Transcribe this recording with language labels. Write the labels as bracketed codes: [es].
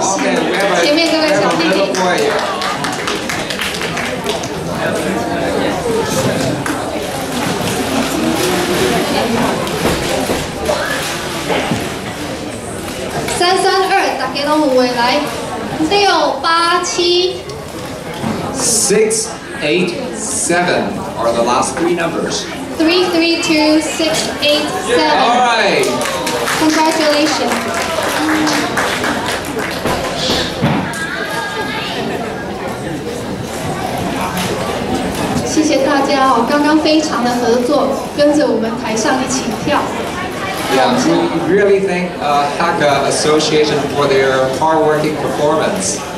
[zh] 恭喜 [en] okay, [zh] 前面各位小弟弟。三三二，大家都有诶，来六八七。 [en] Six, eight, seven are the last three numbers. Three, three, two, six, eight, seven. Yeah, all right. Congratulations. [zh] 谢谢大家哦，刚刚非常的合作，跟着我们台上一起跳。 [en] Yeah, we really thank HACA Association for their hardworking performance.